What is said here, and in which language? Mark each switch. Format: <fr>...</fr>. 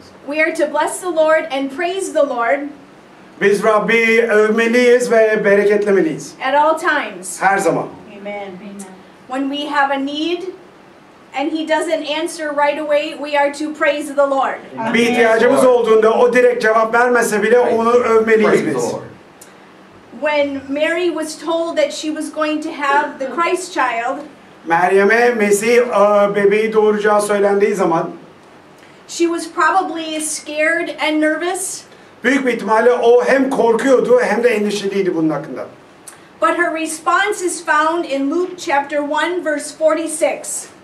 <en>We are to bless the Lord and praise the Lord.</en> <tr>Biz Rabbi övmeliyiz ve bereketlemeliyiz.</tr> <en>At all times.</en> <tr>Her zaman.</tr> <en>Amen. Amen. When we have a need and he doesn't answer right away, we are to praise the Lord. Amen.</en> <tr>Bir ihtiyacımız olduğunda o direkt cevap vermese bile onu övmeliyiz biz.</tr> <en>When Mary was told that she was going to have the Christ child,</en> <tr>Meryem'e Mesih bebeği doğuracağı söylendiği zaman,</tr> <en>she was probably scared and nervous.</en> <tr>Büyük bir ihtimalle o hem korkuyordu hem de endişeliydi bunun hakkında.</tr> <en>But her response is found in Luke chapter 1 verse 46.</en>